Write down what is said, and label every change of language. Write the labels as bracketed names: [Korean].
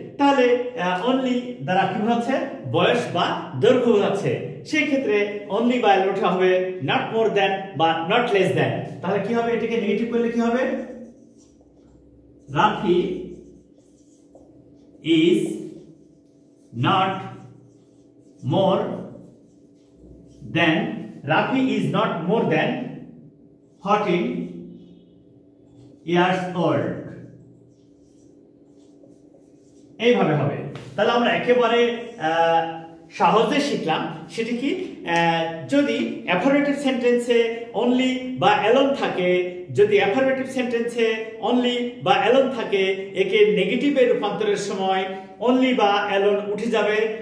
[Bangla] তাহলে অনলি দ্বারা কি বোঝাচ্ছে, বয়স বা দৈর্ঘ্য বোঝাচ্ছে, সেই ক্ষেত্রে অনলি বা লোট হবে নট মোর দেন বা নট লেস দেন। তাহলে কি হবে, এটাকে নেগেটিভ করলে কি হবে, Rafi is not more [English] then Rafi is not more than 14 years old. [Bangla] এইভাবে হবে তাহলে আমরা একেবারে সহজে শিখলাম সেটি কি যদি অ্যাফারমেটিভ সেন্টেন্সে অনলি বা অ্যালোন থাকে যদি অ্যাফারমেটিভ সেন্টেন্সে অনলি বা অ্যালোন থাকে একে নেগেটিভে রূপান্তরের সময় অনলি বা অ্যালোন উঠে যাবে